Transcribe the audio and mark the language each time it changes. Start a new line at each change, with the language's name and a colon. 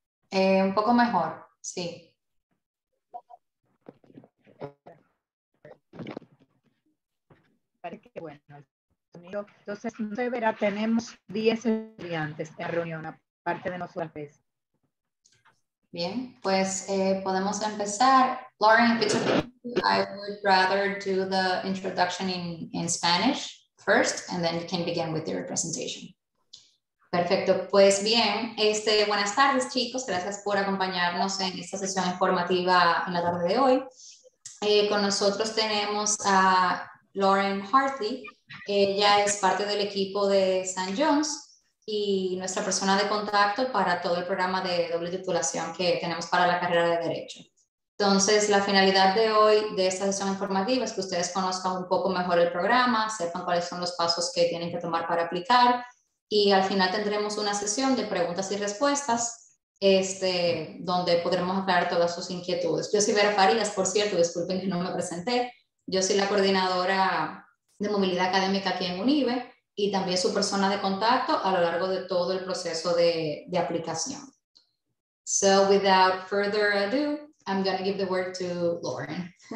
Spanish: Un poco mejor, sí. Parece que bueno. Entonces, no se verá, tenemos 10 estudiantes en reunión, aparte de nosotras. Bien, pues podemos empezar.
English: Lauren, if it's okay, I would rather do the introduction in Spanish first, and then you can begin with your presentation.
Spanish: Perfecto, pues bien, buenas tardes chicos, gracias por acompañarnos en esta sesión informativa en la tarde de hoy. Con nosotros tenemos a Lauren Hartley, Ella es parte del equipo de St. John's y nuestra persona de contacto para todo el programa de doble titulación que tenemos para la carrera de Derecho. Entonces, la finalidad de hoy, de esta sesión informativa, es que ustedes conozcan un poco mejor el programa, sepan cuáles son los pasos que tienen que tomar para aplicar, y al final tendremos una sesión de preguntas y respuestas, donde podremos aclarar todas sus inquietudes. Yo soy Vera Farías, por cierto, disculpen que no me presenté. Yo soy la coordinadora de movilidad académica aquí en Unibe y también su persona de contacto a lo largo de todo el proceso de aplicación.
English: So, without further ado, I'm going to give the word to Lauren.